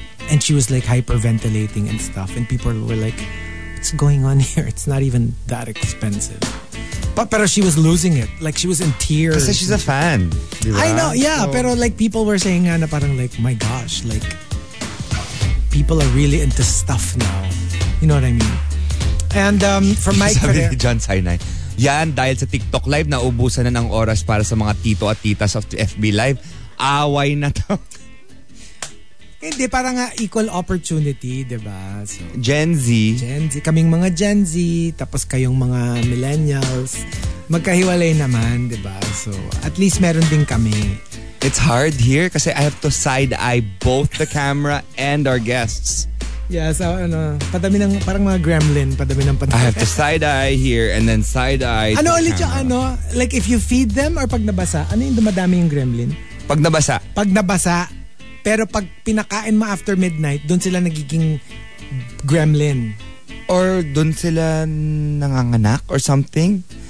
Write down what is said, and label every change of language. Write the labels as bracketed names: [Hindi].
[English] And she was like hyperventilating and stuff. And people were like, what's going on here? It's not even that expensive. But she was losing it. Like, she was in tears. Because she's a fan. I know, yeah. So. Pero, like, people were saying, [Filipino] na parang, [English] like, my gosh, like, people are really into stuff now. You know what I mean? And from Mike Ferrer. John Sinai. [Filipino] Yan, dahil sa TikTok Live, naubusan na ng oras para sa mga tito at titas of FB Live. Away na to. Hindi, parang equal opportunity, diba? So, [English] Gen Z. [Filipino] Kaming mga Gen Z, tapos kayong mga millennials. Magkahiwalay naman, diba? So, at least meron din kami. [English] It's hard here kasi I have to side-eye both the camera and our guests. [Filipino] Yeah, so ano, padami ng, parang mga gremlin, padami ng [English] pantay. I have to side-eye here and then side-eye [Filipino] ano [English] the [Filipino] ulit [English] camera. [Filipino] Ano ulit yung, ano, like if you feed them or pag nabasa, ano yung dumadami yung gremlin? Pag nabasa. Pero pag pinakain mo after midnight, doon sila nagiging gremlin. Or doon sila nanganganak or something?